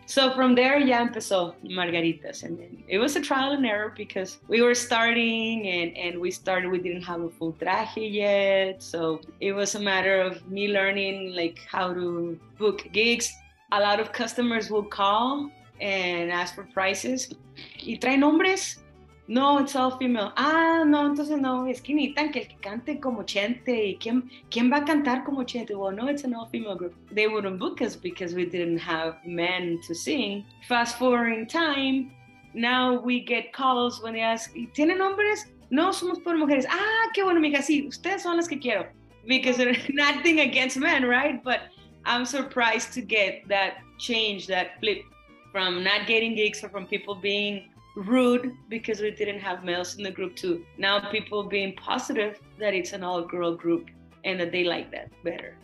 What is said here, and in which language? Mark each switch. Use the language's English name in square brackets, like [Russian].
[English] So from there, yeah, empezó Margaritas. And then it was a trial and error because we were starting and we started, we didn't have a full traje yet. So it was a matter of me learning like how to book gigs. A lot of customers will call and ask for prices. [Spanish] ¿Y trae nombres? No, [English] it's all female. [Spanish] Ah, no, entonces no, es que necesitan que el que cante como Chente. ¿Y quién va a cantar como Chente? [English] Well, no, it's an all female group. They wouldn't book us because we didn't have men to sing. Fast forwarding time, now we get calls when they ask, [Spanish] ¿tienen hombres? No, somos por mujeres. Ah, qué bueno, mija, sí, ustedes son las que quiero. [English] Because they're nothing against men, right? But I'm surprised to get that change, that flip from not getting gigs or from people being rude because we didn't have males in the group to now people being positive that it's an all-girl group and that they like that better.